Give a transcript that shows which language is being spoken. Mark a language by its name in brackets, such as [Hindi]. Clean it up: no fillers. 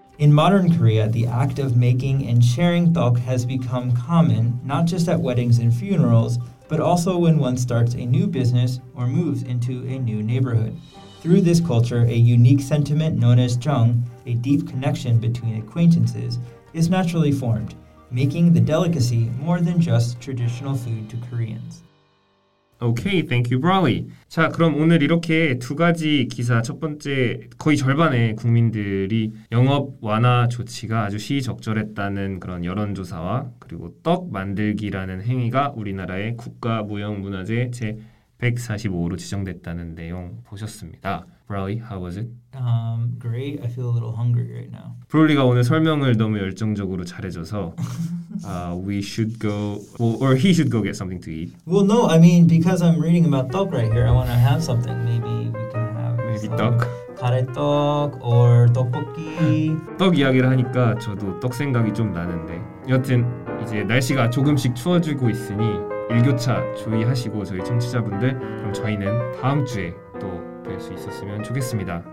[English] In modern Korea, the act of making and sharing tteok has become common, not just at weddings and funerals, but also when one starts a new business or moves into a new neighborhood. Through this culture, a unique sentiment known as jeong, a deep connection between acquaintances, is naturally formed, making the delicacy more than just traditional food to Koreans. Okay, thank you, Brawley. [Korean] 자, 그럼 오늘 이렇게 두 가지 기사, 첫 번째 거의 절반의 국민들이 영업 완화 조치가 아주 시의적절했다는 그런 여론조사와 그리고 떡 만들기라는 행위가 우리나라의 국가무형문화재 제145호로 지정됐다는 내용 보셨습니다. [English] Brawley, how was it? Great. I feel a little hungry right now. Brawley가 [Korean] 오늘 설명을 너무 열정적으로 잘해줘서 [English] we should go, or he should go get something to eat. Well, no, I mean, because I'm reading about 떡 right here, I want to have something. Maybe we can have maybe 떡? [Korean] 가래떡 or 떡볶이. 떡 이야기를 하니까 저도 떡 생각이 좀 나는데 여튼 이제 날씨가 조금씩 추워지고 있으니 일교차 주의하시고 저희 청취자분들 그럼 저희는 다음 주에 또 뵐 수 있었으면 좋겠습니다.